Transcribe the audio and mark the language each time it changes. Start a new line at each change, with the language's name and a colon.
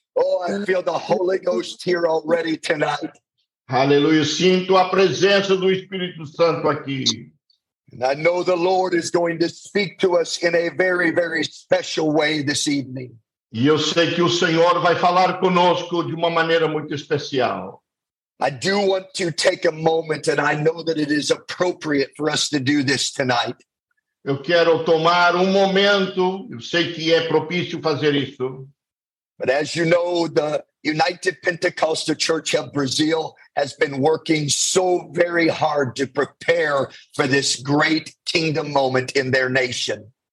English: Oh, I feel the Holy Ghost here already tonight.
Portuguese: Aleluia, sinto a presença do Espírito Santo aqui.
English: And I know the Lord is going to speak to us in a very, very special way this evening.
Portuguese: E eu sei que o Senhor vai falar conosco de uma maneira muito especial.
English: I do want to take a moment, and I know that it is appropriate for us to do this tonight.
Portuguese: Eu quero tomar um momento, eu sei que é propício fazer isso.
English: But as you know, the United Pentecostal Church of Brazil has been working so very hard to prepare for this great kingdom moment in their nation.